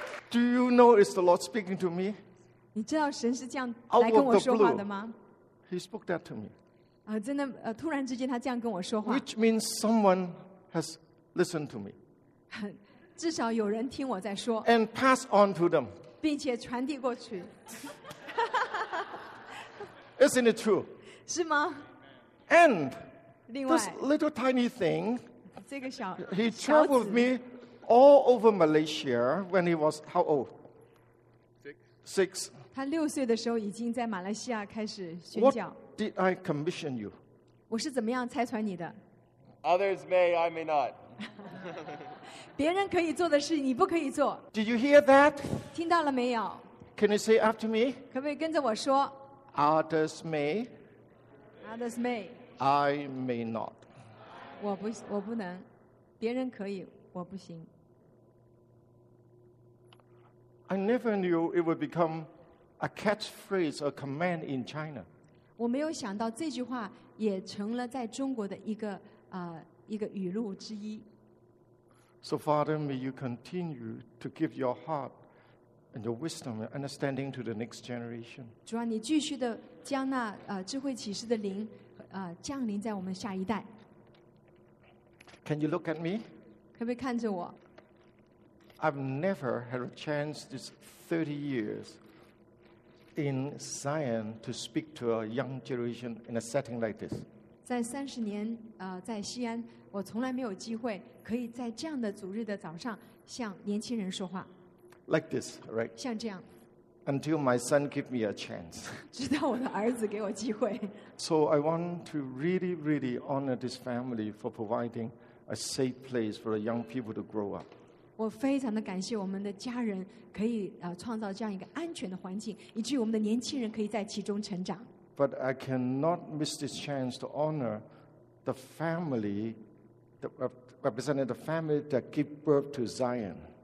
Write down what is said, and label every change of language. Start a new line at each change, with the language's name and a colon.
English: Do you know it's the Lord speaking to me?
Chinese: 你知道神是这样来跟我说话的吗？
English: He spoke that to me.
Chinese: 真的，突然之间他这样跟我说话。
English: Which means someone has listened to me.
Chinese: 至少有人听我在说。
English: And pass on to them.
Chinese: 并且传递过去。
English: Isn't it true?
Chinese: 是吗？
English: And
Chinese: 另外,
English: this little tiny thing,
Chinese: 这个小,
English: he traveled with me all over Malaysia when he was how old? Six.
Chinese: 他六岁的时候已经在马来西亚开始宣教。
English: What did I commission you?
Chinese: 我是怎么样拆穿你的？
English: Others may, I may not.
Chinese: 别人可以做的事你不可以做。
English: Did you hear that?
Chinese: 听到了没有？
English: Can you say after me?
Chinese: 可不可以跟着我说？
English: Others may. Others may. I may not.
Chinese: 我不能。别人可以。我不行。
English: I never knew it would become a catchphrase or command in China.
Chinese: 我没有想到这句话也成了在中国的一个, 一个语录之一。
English: So Father, may you continue to give your heart and your wisdom and understanding to the next generation.
Chinese: 主啊,你继续地将那, 智慧启示的灵, 降临在我们下一代。
English: Can you look at me?
Chinese: 可不可以看着我?
English: I've never had a chance this 30 years in Zion to speak to a young generation in a setting like this.
Chinese: 在30年,在西安, 我从来没有机会可以在这样的主日的早上向年轻人说话。
English: Like this, right?
Chinese: 像这样。
English: Until my son gave me a chance.
Chinese: 直到我的儿子给我机会。
English: So I want to really, really honor this family for providing a safe place for the young people to grow up.
Chinese: 我非常的感谢我们的家人可以创造这样一个安全的环境，以至于我们的年轻人可以在其中成长。
English: But I cannot miss this chance to honor the family that represented the family that gave birth to Zion.